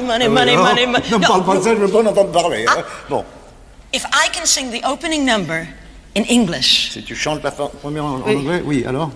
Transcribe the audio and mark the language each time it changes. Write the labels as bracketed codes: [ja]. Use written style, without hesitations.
[fr] Ne parle pas de ça, je ne veux pas en entendre parler. Bon. [en] If I can sing the opening number in English. [fr] Si tu chantes la première en anglais, oui, alors?